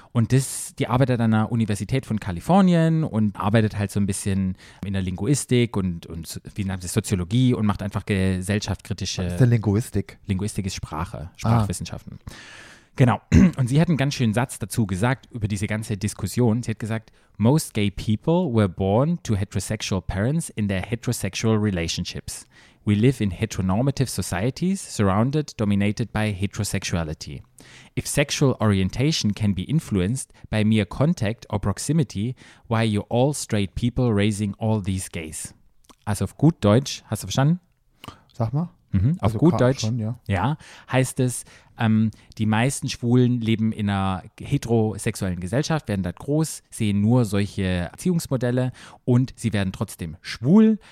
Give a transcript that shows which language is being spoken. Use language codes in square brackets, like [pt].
[de] Und die arbeitet an der Universität von Kalifornien und arbeitet halt so ein bisschen in der Linguistik und wie nennt es Soziologie und macht einfach gesellschaftskritische. Was ist denn Linguistik? Linguistik ist Sprache, Sprachwissenschaften. Genau. Und sie hat einen ganz schönen Satz dazu gesagt, über diese ganze Diskussion. Sie hat gesagt, [en] most gay people were born to heterosexual parents in their heterosexual relationships. We live in heteronormative societies surrounded, dominated by heterosexuality. If sexual orientation can be influenced by mere contact or proximity, why are you all straight people raising all these gays? [de] Also auf gut Deutsch, hast du verstanden? Sag mal. Mhm. Auf also gut Deutsch schon, ja, heißt es, die meisten Schwulen leben in einer heterosexuellen Gesellschaft, werden dort groß, sehen nur solche Erziehungsmodelle und sie werden trotzdem schwul.